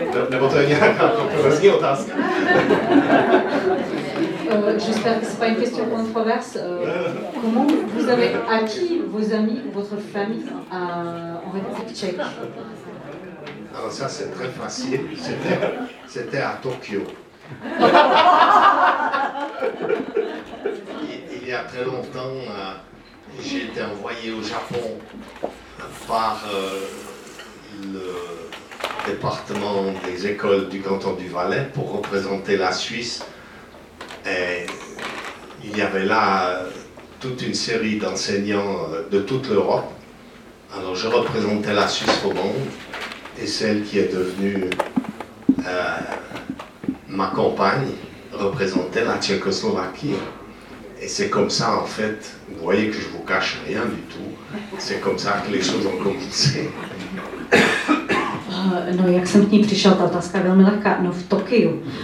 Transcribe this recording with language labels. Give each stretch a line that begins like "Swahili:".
Czech: Nebo to je nějaká kontroverzní otázka?
French: J'espère que ce n'est pas une question controverse. Comment vous avez acquis vos amis, votre famille en République tchèque? Alors ça c'est très facile, c'était à Tokyo. Il y a très longtemps, j'ai été envoyé au Japon par le département des écoles du canton du Valais pour représenter la Suisse. Et il y avait là toute une série d'enseignants de toute l'Europe. Alors je représentais la Suisse au monde, et celle qui est devenue ma compagne représentait la Tchécoslovaquie. Et c'est comme ça, en fait, vous voyez que je vous cache rien du tout, c'est comme ça que les choses ont commencé.
Czech: No, jak jsem k ní přišel, ta otázka je velmi lehká. No, v Tokiu.